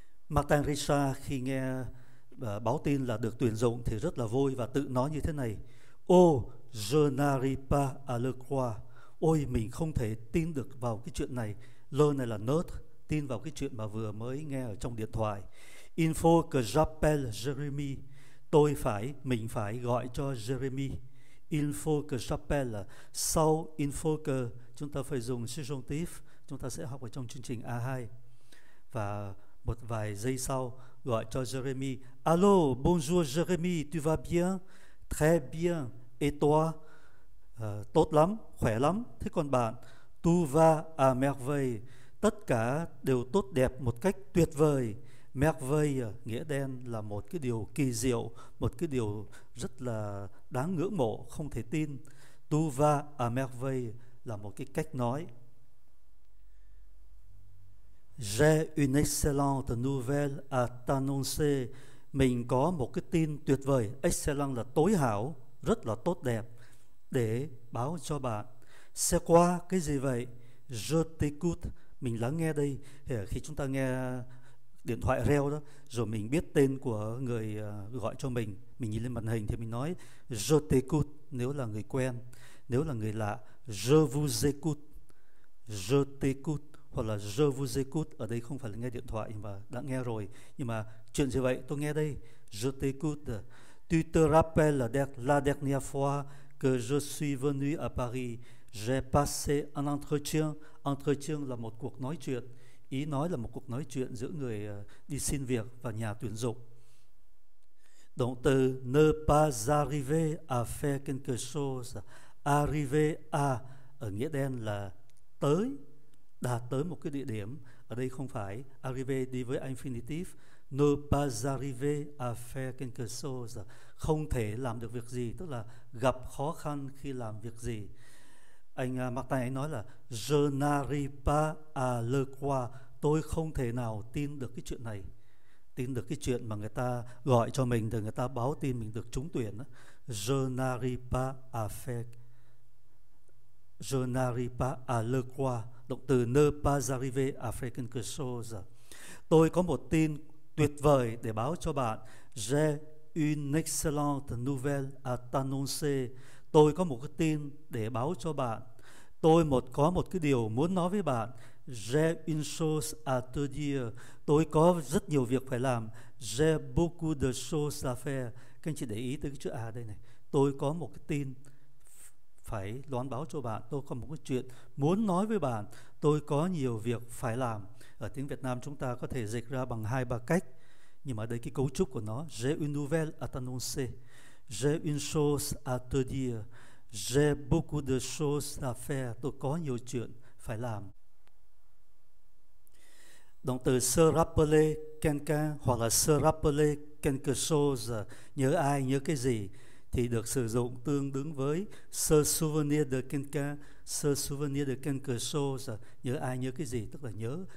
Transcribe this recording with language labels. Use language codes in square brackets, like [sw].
[vi] Martin Richard khi nghe báo tin là được tuyển dụng thì rất là vui và tự nói như thế này: [fr] Oh, je n'arrive pas à le croire. [vi] Ôi, mình không thể tin được vào cái chuyện này. Lơ này là nớt, tin vào cái chuyện mà vừa mới nghe ở trong điện thoại. [fr] Il faut que j'appelle Jérémy. [vi] Tôi phải, mình phải gọi cho Jérémy. [fr] Il faut que j'appelle. [vi] Sau [fr] il faut que, [vi] chúng ta phải dùng subjonctif, chúng ta sẽ học ở trong chương trình A2. Và một vài giây sau, gọi cho Jérémy. [fr] Allô, bonjour Jérémy, tu vas bien? Très bien, et toi? [vi] Tốt lắm, khỏe lắm. Thế còn bạn? [fr] Tout va à merveille. [vi] Tất cả đều tốt đẹp một cách tuyệt vời. Merveille, nghĩa đen, là một cái điều kỳ diệu, một cái điều rất là đáng ngưỡng mộ, không thể tin. [fr] Tout va à merveille [vi] là một cái cách nói. [fr] J'ai une excellente nouvelle à t'annoncer. [vi] Mình có một cái tin tuyệt vời. Excellent là tối hảo, rất là tốt đẹp, để báo cho bạn. [fr] C'est quoi, [vi] cái gì vậy? [fr] Je t'écoute, [vi] mình lắng nghe đây. Khi chúng ta nghe điện thoại reo đó, rồi mình biết tên của người gọi cho mình, mình nhìn lên màn hình thì mình nói [fr] je t'écoute [vi] nếu là người quen, nếu là người lạ [fr] je vous écoute, [vi] je t'écoute, hoặc là je vous écoute. Ở đây không phải là nghe điện thoại mà đã nghe rồi, nhưng mà chuyện gì vậy, tôi nghe đây, [fr] je t'écoute. Tu te rappelles la dernière fois que je suis venu à Paris? J'ai passé un entretien. [vi] Entretien là một cuộc nói chuyện. Ý nói là một cuộc nói chuyện giữa người đi xin việc và nhà tuyển dụng. Động từ [fr] ne pas arriver à faire quelque chose. [vi] Arriver à, ở nghĩa đen là tới, đạt tới một cái địa điểm. Ở đây không phải arriver đi với infinitive. [fr] Ne pas arriver à faire quelque chose, [vi] không thể làm được việc gì, tức là gặp khó khăn khi làm việc gì. Anh Martin ấy nói là [fr] je n'arrive pas à le croire. [vi] Tôi không thể nào tin được cái chuyện này, tin được cái chuyện mà người ta gọi cho mình, rồi người ta báo tin mình được trúng tuyển. [fr] Je n'arrive pas à faire, je n'arrive pas à le croire, [vi] động từ [fr] ne pas arriver à faire quelque chose. [vi] Tôi có một tin tuyệt vời để báo cho bạn. [fr] J'ai une excellente nouvelle à t'annoncer. [vi] Tôi có một cái tin để báo cho bạn. Tôi có một cái điều muốn nói với bạn. [fr] J'ai une chose à te dire. [vi] Tôi có rất nhiều việc phải làm. [fr] J'ai beaucoup de choses à faire. [vi] Các anh chị để ý tới cái chữ A đây này. Tôi có một cái tin phải loan báo cho bạn. Tôi có một cái chuyện muốn nói với bạn. Tôi có nhiều việc phải làm. Ở tiếng Việt Nam chúng ta có thể dịch ra bằng hai ba cách, nhưng mà đây cái cấu trúc của nó: [fr] J'ai une nouvelle à t'annoncer. J'ai une chose à te dire. J'ai beaucoup de choses à faire. [vi] Tôi có nhiều chuyện phải làm. Động từ [fr] se rappeler quelqu'un [vi] hoặc là [fr] se rappeler quelque chose, [vi] nhớ ai, nhớ cái gì, thì được sử dụng tương đương với [fr] se souvenir de quelqu'un. Se souvenir de quelque chose, [vi] nhớ ai, nhớ cái gì, tức là nhớ.